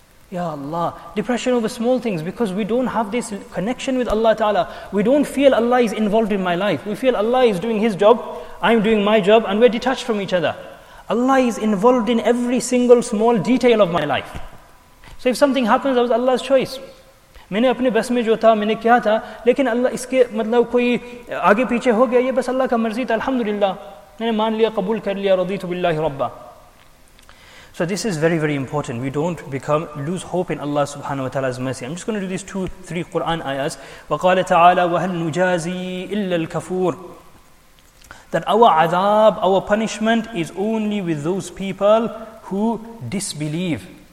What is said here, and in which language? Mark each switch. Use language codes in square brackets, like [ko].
[en] Ya Allah, depression over small things because we don't have this connection with Allah Ta'ala. We don't feel Allah is involved in my life. We feel Allah is doing His job, I'm doing my job, and we're detached from each other. Allah is involved in every single small detail of my life. So if something happens, that was Allah's choice. [hi] मैंने अपने बस में जो था मैंने किया था लेकिन अल्लाह इसके मतलब कोई आगे पीछे हो गया ये बस अल्लाह का मर्जी था अल्हम्दुलिल्लाह मैंने मान लिया कबूल कर लिया [ar] रदीतु बिललाह रब्बा. [en] So this is very, very important. We don't become lose hope in Allah subhanahu wa ta'ala's mercy. I'm just going to do these 2-3 Quran ayahs. [ar] وَقَالَ تَعَالَى وَهَلْ نُجَازِي إِلَّا الْكَفُورِ. [en] That our azab, our punishment is only with those people who disbelieve.